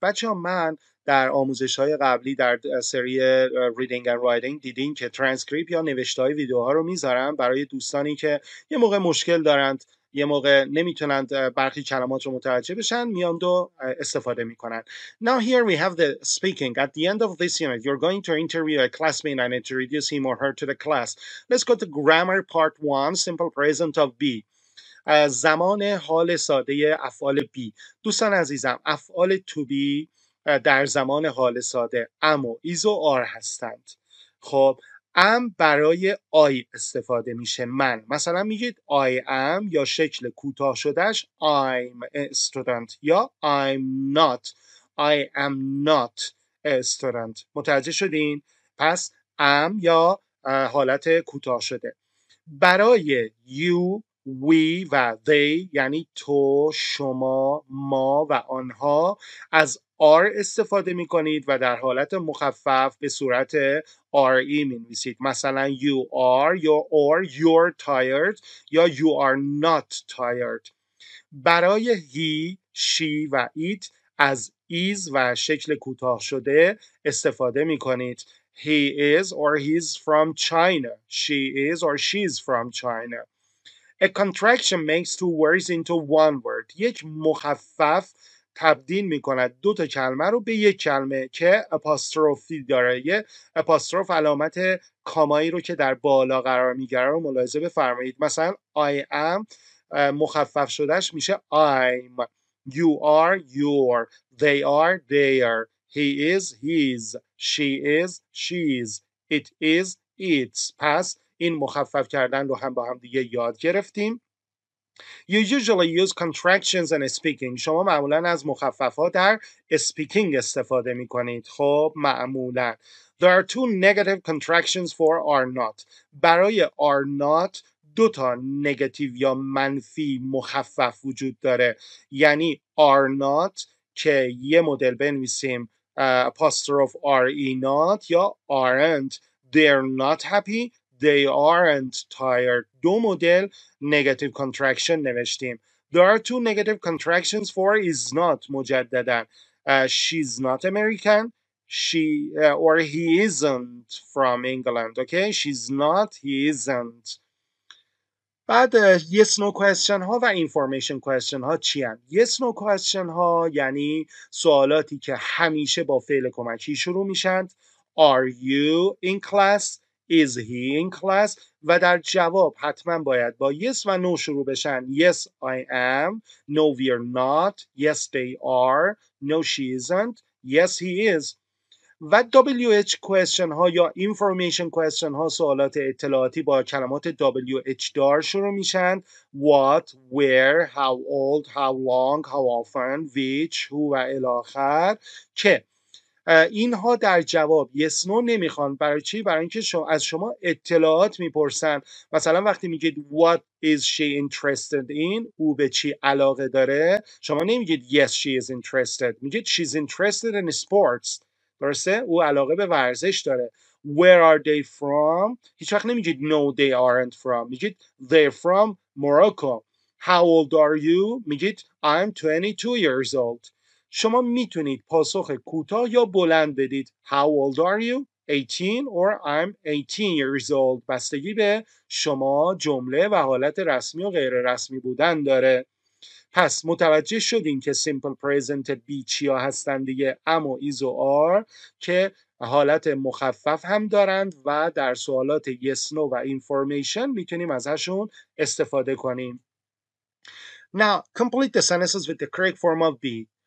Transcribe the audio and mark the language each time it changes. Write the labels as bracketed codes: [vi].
[fa] بچه من در آموزش‌های قبلی در سری Reading and Writing دیدین که ترانسکریپت یا نوشته‌های ویدیوها رو می‌ذارم برای دوستانی که یه موقع مشکل دارند، یه موقع نمیتونند برخی کلمات رو متوجه بشن، میان دو استفاده میکنن. [en] Now here we have the speaking. At the end of this unit, you're going to interview a classmate and introduce him or her to the class. Let's go to grammar part 1, simple present of be. [fa] زمان حال ساده افعال [en] be. [fa] دوستان عزیزم، افعال to be در زمان حال ساده ام و ایز و آر هستند. خب ام برای آی استفاده میشه، من. مثلا میگید آی ام یا شکل کوتاه شدهش [en] I'm a student [fa] یا [en] I'm not. I am not a student. [fa] متوجه شدین؟ پس ام یا حالت کوتاه شده. برای you، we و they یعنی تو، شما، ما و آنها از are استفاده می کنید و در حالت مخفف به صورت re می نویسید. [en] مثلا you are یا or you're tired یا you are not tired. [fa] برای he, she و it از is و شکل کوتاه شده استفاده می کنید. [en] He is or he's from China. She is or she's from China. A contraction makes two words into one word. [fa] یک مخفف تبدیل میکنه دو تا کلمه رو به یک کلمه که اپاسترفی داره. یه اپاستروف علامت کامایی رو که در بالا قرار میگیره رو ملاحظه بفرمایید. مثلا I am مخفف شدهش میشه I'm. [en] You are your. They are their. He is his. She is she's. It is its. [fa] پس این مخفف کردن رو هم با هم دیگه یاد گرفتیم. [en] You usually use contractions in speaking. [fa] شما معمولا از مخفف ها در speaking استفاده می کنید. خب معمولا. [en] There are two negative contractions for are not. [fa] برای are not دو تا negative یا منفی مخفف وجود داره. یعنی are not که یه مدل بنویسیم apostrophe are not یا aren't. [en] They're not happy. They aren't tired. [fa] دو مدل negative contraction نوشتیم. [en] There are two negative contractions for is not مجدداً. She's not American. Or he isn't from England. Okay? She's not. He isn't. [fa] بعد yes no question ها و information question ها چی هست؟ Yes no question ها یعنی سوالاتی که همیشه با فعل کمکی شروع میشند. [en] Are you in class? Is he in class? [fa] و در جواب حتما باید با yes و no شروع بشن. [en] Yes, I am. No, we are not. Yes, they are. No, she isn't. Yes, he is. [fa] و WH question ها یا information question ها سوالات اطلاعاتی با کلمات WH دار شروع میشن. [en] What, where, how old, how long, how often, which, who و الاخر. [fa] که اینها در جواب yes no نمیخوان. برای چی؟ برای اینکه شما از شما اطلاعات میپرسن. مثلا وقتی میگید [en] what is she interested in، [fa] او به چی علاقه داره، شما نمیگید [en] yes she is interested، [fa] میگید [en] she's interested in sports، [fa] درسته؟ او علاقه به ورزش داره. [en] Where are they from؟ [fa] هیچ وقت نمیگید [en] no they aren't from، میگید they're from Morocco. How old are you؟ میگید I'm 22 years old. [fa] شما میتونید پاسخ کوتاه یا بلند بدید. [en] How old are you؟ 18 or I'm 18 years old. [fa] بستگی به شما جمله و حالت رسمی و غیر رسمی بودن داره. پس متوجه شدین که simple present be چیا هستن دیگه، am و is و are، که حالت مخفف هم دارند و در سوالات yes no و information میتونیم ازشون استفاده کنیم. [en] Now complete the sentences with the correct form of be.